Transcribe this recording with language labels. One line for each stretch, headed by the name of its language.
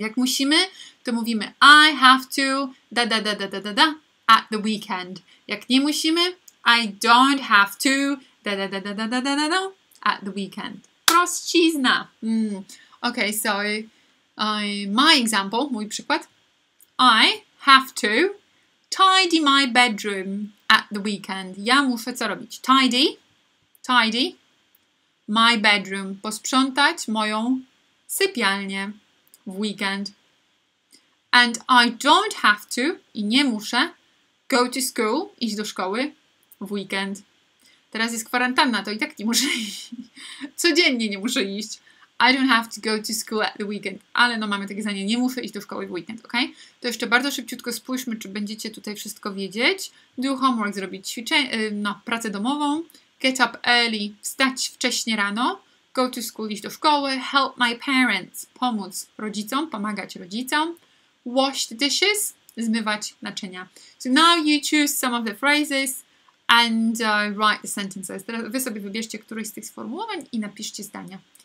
Polish: Jak musimy, to mówimy
English: I have to da da da da da da da at the weekend.
Polish: Jak nie musimy,
English: I don't have to da da da da da da da da da at the weekend.
Polish: Prostszczyzna.
English: Okay, so my example,
Polish: mój przykład.
English: I have to tidy my bedroom at the weekend.
Polish: Ja muszę co robić?
English: Tidy my bedroom.
Polish: Posprzątać moją sypialnię w weekend.
English: And I don't have to,
Polish: i nie muszę,
English: go to school,
Polish: iść do szkoły w weekend. Teraz jest kwarantanna, to i tak nie muszę iść. Codziennie nie muszę iść.
English: I don't have to go to school at the weekend.
Polish: Ale no mamy takie zdanie, nie muszę iść do szkoły w weekend, ok? To jeszcze bardzo szybciutko spójrzmy, czy będziecie tutaj wszystko wiedzieć.
English: Do homework,
Polish: zrobić pracę domową.
English: Get up early,
Polish: wstać wcześnie rano.
English: Go to school,
Polish: iść do szkoły.
English: Help my parents,
Polish: pomóc rodzicom, pomagać rodzicom.
English: Wash the dishes,
Polish: zmywać naczynia.
English: So now you choose some of the phrases and write the sentences.
Polish: Teraz wy sobie wybierzcie któryś z tych sformułowań i napiszcie zdania.